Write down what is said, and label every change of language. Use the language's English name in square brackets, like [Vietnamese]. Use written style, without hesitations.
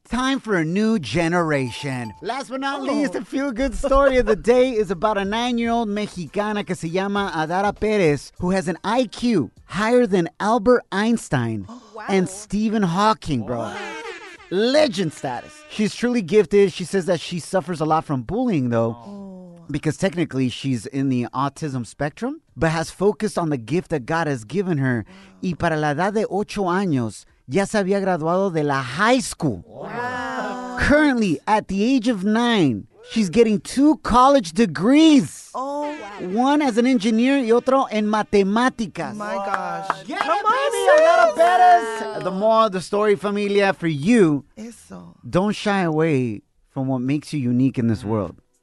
[English] Time for a new generation." Last but not least, a feel-good story of the day is about a 9-year-old [Spanish] Mexicana que se llama [English] Adara Perez, who has an IQ higher than Albert Einstein and Stephen Hawking, bro. What? Legend status. She's truly gifted. She says that she suffers a lot from bullying, though, because technically she's in the autism spectrum, but has focused on the gift that God has given her. [Spanish] Y para la edad de 8 años, ya se había graduado de la [English] high school. Wow. Currently, at the age of 9, she's getting 2 college degrees. One as an engineer [Spanish] y otro en matemáticas. [English] My gosh. Yeah, come on, baby. A lot of betters. Wow. The moral of the story, familia, for you. [Spanish] Eso. [English] Don't shy away from what makes you unique in this world.